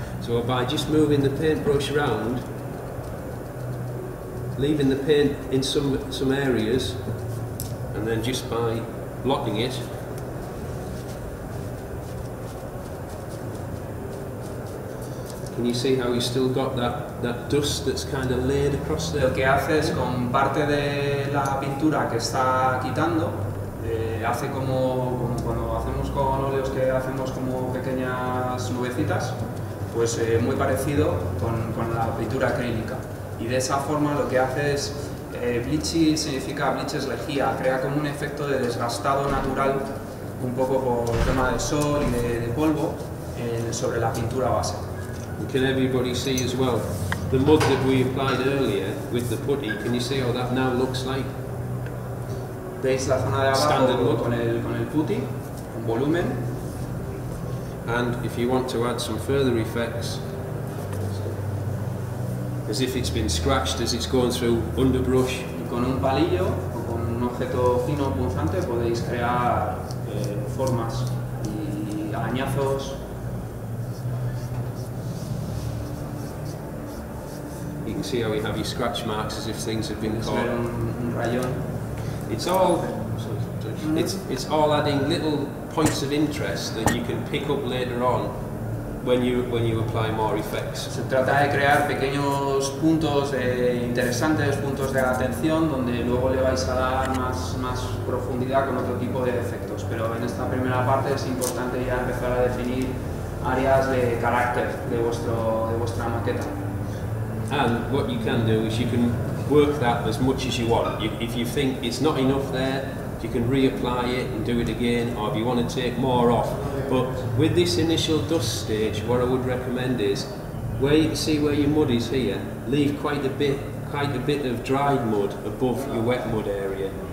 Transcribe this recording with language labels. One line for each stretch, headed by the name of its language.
English: So by just moving the paintbrush around, leaving the paint in some areas, and then just by blotting it, can you see how you've still got that dust that's kind of laid across there?
Spanish: Lo que haces con parte de la pintura que está quitando, hace como cuando hacemos con óleos que hacemos como pequeñas nubecitas, pues muy parecido con la pintura acrílica. Y de esa forma lo que hace es, bleaching significa bleaches lejía, crea como un efecto de desgastado natural, un poco por el tema del sol y de polvo, sobre la pintura base.
English: Can everybody see as well, the mud that we applied earlier with the putty, can you see how that now looks like?
Spanish: ¿Veis la zona de abajo con el putty, con volumen?
English: And if you want to add some further effects, as if it's been scratched as it's going through underbrush.
Spanish: Con un palillo o con un objeto fino punzante podéis crear formas y arañazos.
English: You can see how you have your scratch marks as if things have been caught.
Spanish: Un rayón.
English: It's all adding little points of interest that you can pick up later on. When you apply more effects.
Spanish: Se trata de crear pequeños puntos interesantes, puntos de atención, donde luego le vais a dar más profundidad con otro tipo de efectos. Pero en esta primera parte es importante ya empezar a definir áreas de carácter de vuestra maqueta.
English: And what you can do is you can work that as much as you want. If you think it's not enough there, you can reapply it and do it again, or if you want to take more off. But with this initial dust stage, what I would recommend is, where you can see where your mud is here, leave quite a bit of dried mud above your wet mud area.